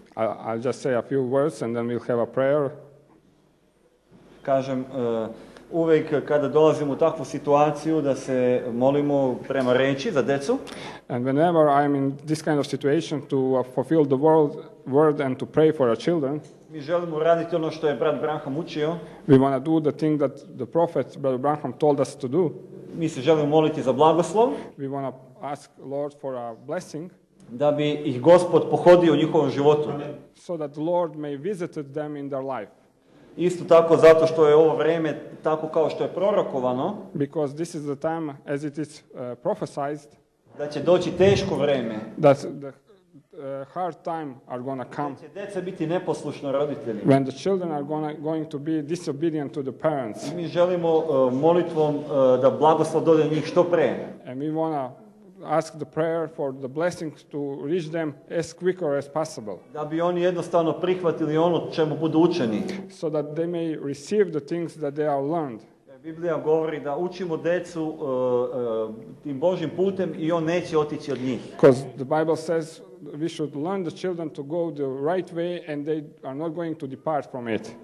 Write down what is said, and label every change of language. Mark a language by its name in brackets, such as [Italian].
[English] I'll just say a few words and then we'll have a prayer. [Serbian] Kažem, uvijek kada dolazimo u takvu situaciju da se molimo prema reči za decu. [English] And whenever I'm in this kind of situation to fulfill the word and to pray for our children. [Serbian] Mi želimo raditi ono što je brat Branham učio. [English] We want to do the thing that the prophet brother Branham told us to do. [Serbian] Mi se želimo moliti za blagoslov. [English] We want to ask Lord for a blessing. [Serbian] Da bi ih Gospod pohodio u njihovom životu. [English] So that the Lord may visit them in their life. [Serbian] Isto tako zato što je ovo vrijeme tako kao što je prorokovano. [English] Because this is the time as it is prophesized. [Serbian] Da će doći teško vrijeme. [English] That the hard time are gonna come. [Serbian] Da će djeca biti neposlušna roditeljima. [English] When the children are going to be disobedient to the parents. [Serbian] Mi želimo molitvom da blagoslov dođe njih što prije. [English] And we wanna ask the prayer for the blessings to reach them as quicker as possible. [Serbian] Da bi oni jednostavno prihvatili ono čemu budu učeni. [English] So that they may receive the things that they have learned. [Serbian] Biblija govori da učimo decu tim Božim putem i on neće otići od njih. [English] Because the Bible says we should learn the children to go the right way and they are not going to depart from it.